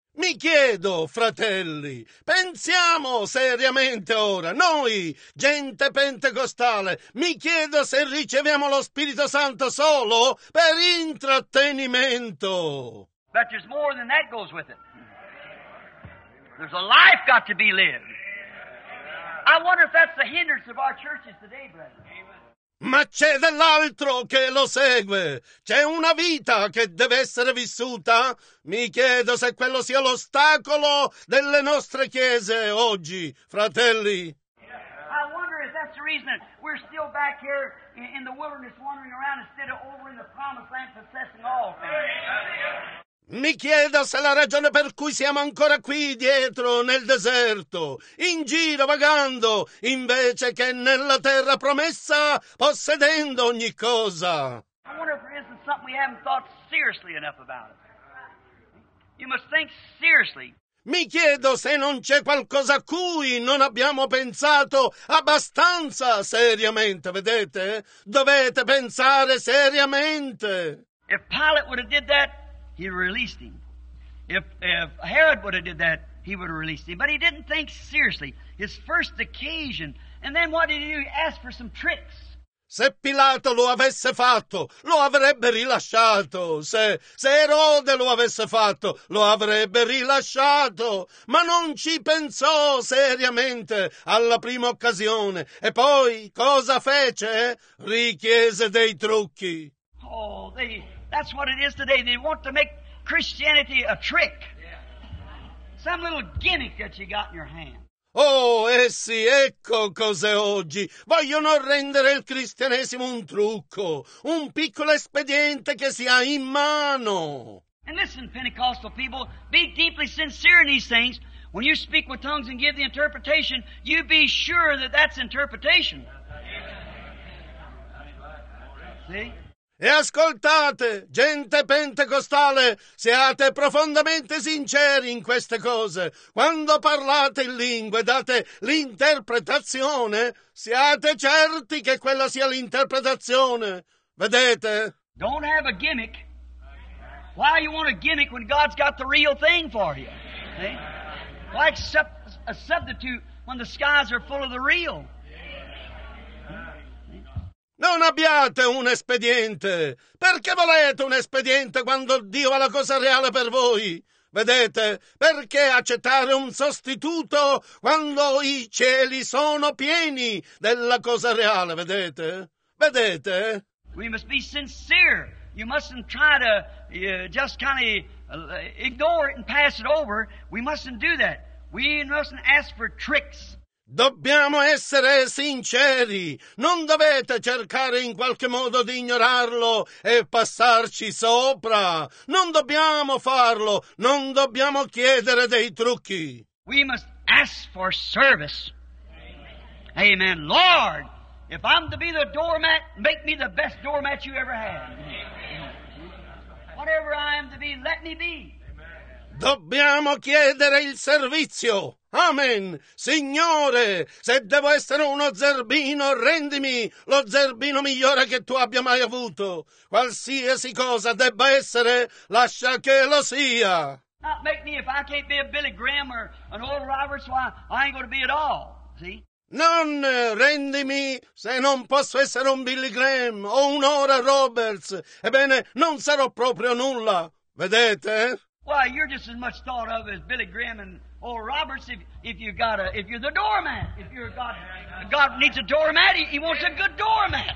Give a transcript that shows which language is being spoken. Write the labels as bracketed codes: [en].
[it] Mi chiedo, fratelli, pensiamo seriamente ora, noi, gente pentecostale, mi chiedo se riceviamo lo Spirito Santo solo per intrattenimento. [en] But there's more than that goes with it. There's a life got to be lived. I wonder if that's the hindrance of our churches today, brethren. [it] Ma c'è dell'altro che lo segue. C'è una vita che deve essere vissuta. Mi chiedo se quello sia l'ostacolo delle nostre chiese oggi, fratelli. [en] I wonder if that's the reason we're still back here in the wilderness wandering around instead of over in the promised land possessing all things. [it] Mi chiedo se la ragione per cui siamo ancora qui dietro nel deserto, in giro vagando, invece che nella terra promessa, possedendo ogni cosa. [en] I wonder if there isn't something we haven't thought seriously enough about. You must think seriously. [it] Mi chiedo se non c'è qualcosa a cui non abbiamo pensato abbastanza seriamente, vedete? Dovete pensare seriamente. [en] If Pilate would have did that, he released him. If Herod would have did that, he would have released him. But he didn't think seriously. His first occasion. And then what did he do? He asked for some tricks. [it] Se Pilato lo avesse fatto, lo avrebbe rilasciato. Se Erode lo avesse fatto, lo avrebbe rilasciato. Ma non ci pensò seriamente alla prima occasione. E poi cosa fece? Richiese dei trucchi. [en] That's what it is today. They want to make Christianity a trick. Some little gimmick that you got in your hand. [it] Oh, essi, ecco cos'è oggi. Vogliono rendere il cristianesimo un trucco, un piccolo espediente che si ha in mano. [en] And listen, Pentecostal people, be deeply sincere in these things. When you speak with tongues and give the interpretation, you be sure that that's interpretation. See? [it] E ascoltate, gente pentecostale, siate profondamente sinceri in queste cose. Quando parlate in lingue, date l'interpretazione, siate certi che quella sia l'interpretazione. Vedete? [en] Don't have a gimmick. Why you want a gimmick when God's got the real thing for you? Why accept a substitute when the skies are full of the real? [it] Non abbiate un espediente. Perché volete un espediente quando Dio ha la cosa reale per voi? Vedete, perché accettare un sostituto quando i cieli sono pieni della cosa reale? Vedete? Vedete? [en] We must be sincere. You mustn't try to just kind of ignore it and pass it over. We mustn't do that. We mustn't ask for tricks. [it] Dobbiamo essere sinceri. Non dovete cercare in qualche modo di ignorarlo e passarci sopra. Non dobbiamo farlo. Non dobbiamo chiedere dei trucchi. [en] We must ask for service. Amen. Amen. Lord, if I'm to be the doormat, make me the best doormat you ever had. Whatever I am to be, let me be. [it] Dobbiamo chiedere il servizio. Amen. Signore, se devo essere uno zerbino, rendimi lo zerbino migliore che tu abbia mai avuto. Qualsiasi cosa debba essere, lascia che lo sia. [en] Not make me, if I can't be a Billy Graham or an Oral Roberts, why, I ain't gonna be at all. See? [it] Non rendimi se non posso essere un Billy Graham o un Oral Roberts. Ebbene, non sarò proprio nulla. Vedete? [en] Why, you're just as much thought of as Billy Graham and Oral Roberts if you're the doormat. If you're God needs a doormat, he wants a good doormat.